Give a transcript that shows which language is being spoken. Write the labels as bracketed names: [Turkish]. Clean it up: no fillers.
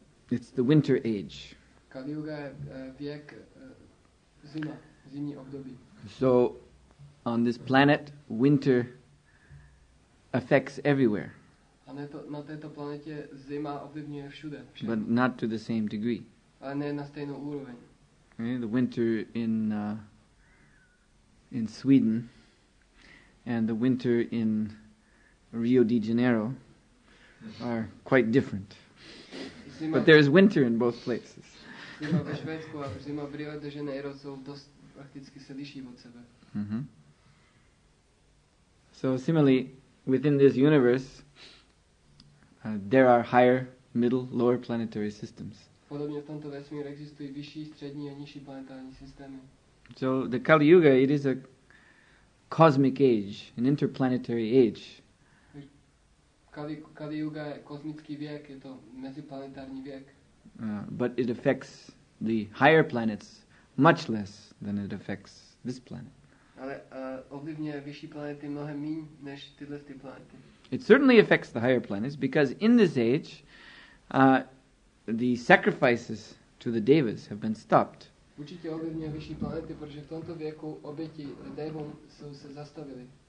[English] It's the winter age. [Czech] Kali Yuga je věk zima, zimní období. [English] So, on this planet, winter affects everywhere. [Czech] A na této planetě zima ovlivňuje všude. [English] But not to the same degree. [Czech] A ne na stejnou úroveň. [English] Okay, the winter in Sweden and the winter in Rio de Janeiro are quite different. [Czech] Zima, [English] but there is winter in both places. [Czech] Zima ve Švédsku a zima v Rio de Janeiro jsou dost prakticky se liší od sebe. [English] So similarly, within this universe, there are higher, middle, lower planetary systems. [Czech] Podobně v tomto vesmíru existují vyšší, střední a nižší planetární systémy. [English] So the Kali Yuga, it is a cosmic age, an interplanetary age. [Czech] Kali Yuga je kosmický věk, je to meziplanetární věk. [English] But it affects the higher planets much less than it affects this planet. [Czech] Ale ovlivňuje vyšší planety mnohem míň než tyhle ty planety. [English] It certainly affects the higher planets because in this age the sacrifices to the devas have been stopped. [Czech] Určitě ovlivňuje vyšší planety, protože v tomto věku oběti devům jsou se zastavily.